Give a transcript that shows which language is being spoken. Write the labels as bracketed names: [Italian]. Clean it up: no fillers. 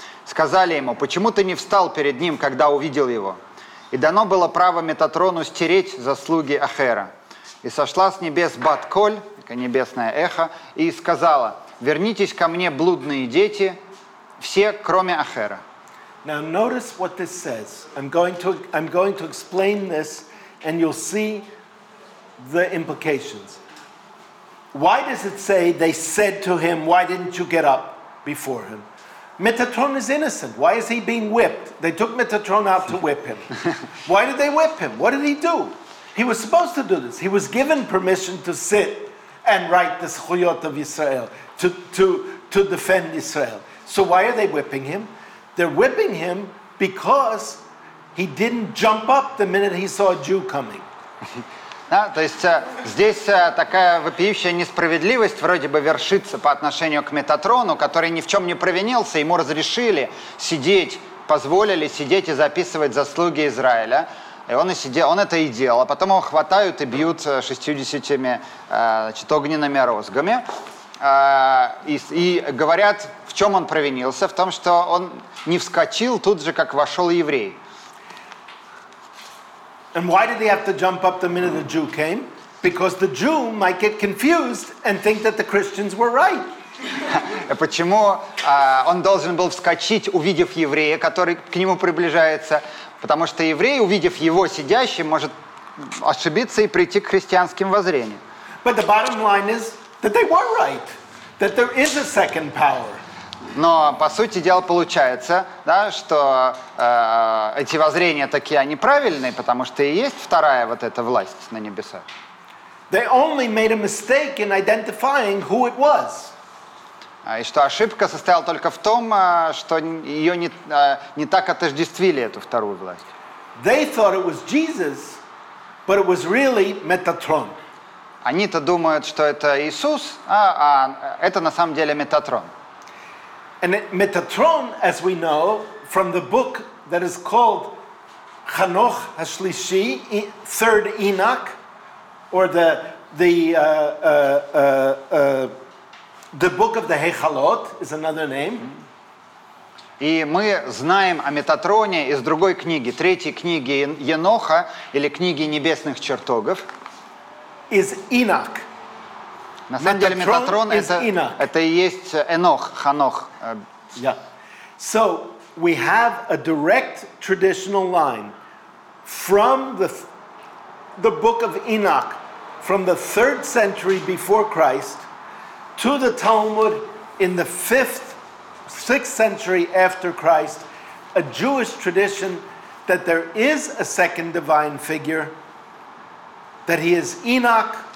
[Russian] Сказали ему, почему ты не встал перед ним, когда увидел его? И дано было право Метатрону стереть заслуги Ахера. И сошла с небес Бат-Коль, небесное эхо, и сказала, вернитесь ко мне, блудные дети, все, кроме Ахера. [English] Now notice what this says. I'm going to explain this, and you'll see the implications. Why does it say they said to him, why didn't you get up before him? Metatron is innocent. Why is he being whipped? They took Metatron out to whip him. Why did they whip him? What did he do? He was supposed to do this. He was given permission to sit and write the Zechuyot of Yisrael, to defend Yisrael. So why are they whipping him? They're whipping him because he didn't jump up the minute he saw a Jew coming. [Russian] Да, то есть здесь такая вопиющая несправедливость вроде бы вершится по отношению к Метатрону, который ни в чем не провинился, ему разрешили сидеть, позволили сидеть и записывать заслуги Израиля. И он, он это и делал. А потом его хватают и бьют 60-ми огненными розгами. И говорят, в чем он провинился? В том, что он не вскочил тут же, как вошел еврей. [English] And why did he have to jump up the minute the Jew came? Because the Jew might get confused and think that the Christians were right. [Russian] Почему он должен был вскочить, увидев еврея, который к нему приближается? Потому что еврей, увидев его сидящим, может ошибиться и прийти к христианским воззрениям. [English] But the bottom line is that they were right, that there is a second power. [Russian] Но, по сути дела, получается, да, что эти воззрения такие, они правильные, потому что и есть вторая вот эта власть на небесах. [English] They only made a mistake in identifying who it was. [Russian] И что ошибка состояла только в том, что ее не так отождествили, эту вторую власть. [English] They thought it was Jesus, but it was really Metatron. [Russian] Они-то думают, что это Иисус, а это на самом деле Метатрон. [English] And Metatron, as we know, from the book that is called Chanoch HaShlishi, Third Enoch, or the Book of the Hechalot, is another name. [Russian] И мы знаем о Метатроне из другой книги, третьей книги Еноха, или книги Небесных Чертогов. [English] Is Enoch. [Russian] На самом деле Метатрон это и есть Енох, Ханох. [English] Yeah. So we have a direct traditional line from the book of Enoch, from the 3rd century before Christ, to the Talmud in the 5th, 6th century after Christ, a Jewish tradition that there is a second divine figure, that he is Enoch.